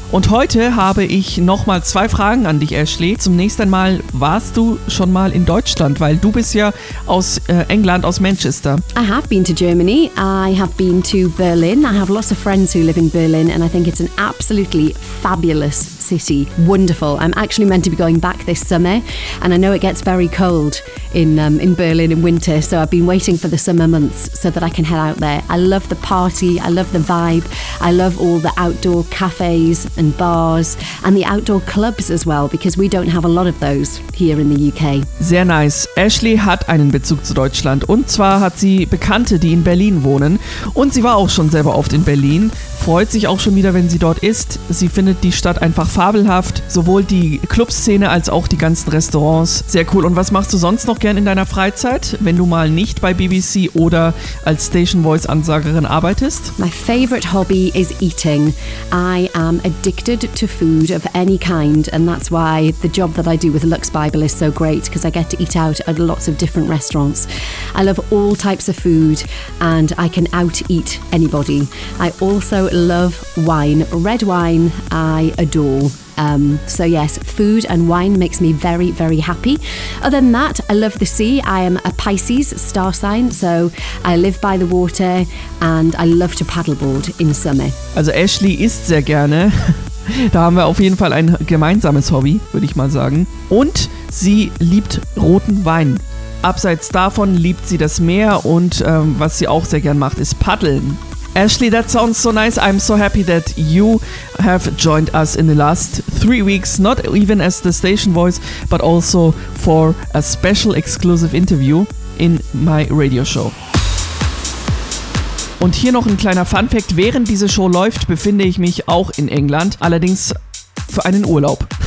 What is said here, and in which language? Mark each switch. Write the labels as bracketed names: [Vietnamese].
[German] Und heute habe ich nochmal zwei Fragen an dich, Ashley. Zunächst einmal, warst du schon mal in Deutschland? Weil du bist ja aus England, aus Manchester. [English] I have been to Germany. I have been to Berlin. I have lots of friends who live in Berlin and I think it's an absolutely fabulous city. Wonderful. I'm actually meant to be going back this summer and I know it gets very cold in Berlin in winter, so I've been waiting for the summer months so that I can head out there. I love the party, I love the vibe, I love all the outdoor cafes and bars and the outdoor clubs as well, because we don't have a lot of those here in the UK. [German] Sehr nice. Ashley hat einen Bezug zu Deutschland und zwar hat sie Bekannte, die in Berlin wohnen und sie war auch schon selber oft in Berlin. Freut sich auch schon wieder, wenn sie dort ist. Sie findet die Stadt einfach fabelhaft. Sowohl die Clubszene als auch die ganzen Restaurants. Sehr cool. Und was machst du sonst noch gern in deiner Freizeit, wenn du mal nicht bei BBC oder als Station Voice Ansagerin arbeitest? [English] My favorite hobby is eating. I am addicted to food of any kind. And that's why the job that I do with Lux Bible is so great, because I get to eat out at lots of different restaurants. I love all types of food and I can out-eat anybody. I also love wine. Red wine, I adore. So yes, food and wine makes me very, very happy. Other than that, I love the sea. I am a Pisces star sign, so I live by the water and I love to paddleboard in summer. [German] Also Ashley isst sehr gerne. Da haben wir auf jeden Fall ein gemeinsames Hobby, würde ich mal sagen. Und sie liebt roten Wein. Abseits davon liebt sie das Meer und was sie auch sehr gern macht, ist paddeln. [English] Ashley, that sounds so nice. I'm so happy that you have joined us in the last 3 weeks, not even as the station voice, but also for a special exclusive interview in my radio show. [German] Und hier noch ein kleiner Fun Fact. Während diese Show läuft, befinde ich mich auch in England, allerdings für einen Urlaub.